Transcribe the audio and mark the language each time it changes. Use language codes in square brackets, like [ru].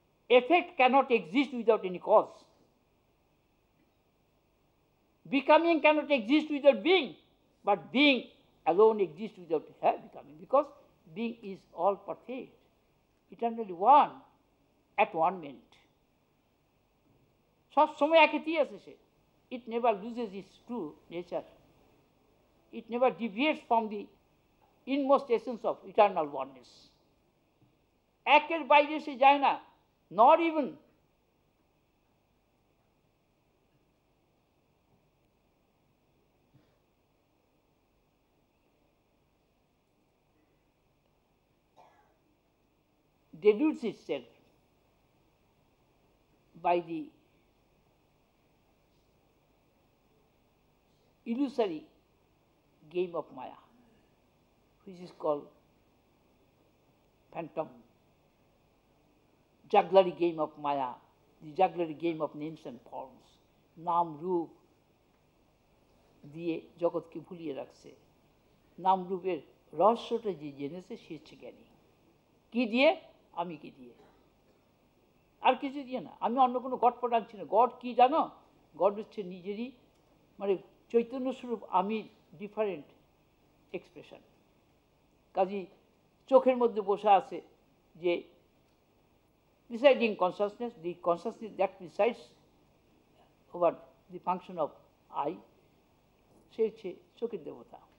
[en] effect cannot exist without any cause, becoming cannot exist without being, but being alone exist without হ্যাঁ becoming, because being is all perfect eternally one at one minute, [bn] সবসময় একেতেই আছে সে। [en] it never loses its true nature, it never deviates from the inmost essence of eternal oneness, [bn] একের বাইরে সে যায় না, [en] not even deludes itself by the illusory game of Maya, which is called phantom, jugglery game of Maya, the jugglery game of names and forms, naam roop [bn] diye jagat ke bhuliye rakhche, naam rooper rahasya ta je jeneche she hocche gyani, ki diye আমি কি দিয়ে, আর কিছু দিয়ে না, আমি অন্য কোনো god product আনছি না। গড কী জানো? গড হচ্ছে নিজেরই মানে চৈতন্যস্বরূপ আমি ডিফারেন্ট এক্সপ্রেশন। কাজী চোখের মধ্যে বসা আছে যে presiding consciousness, [en] the consciousness that presides over the function of eye, [bn] সে হচ্ছে চোখের দেবতা।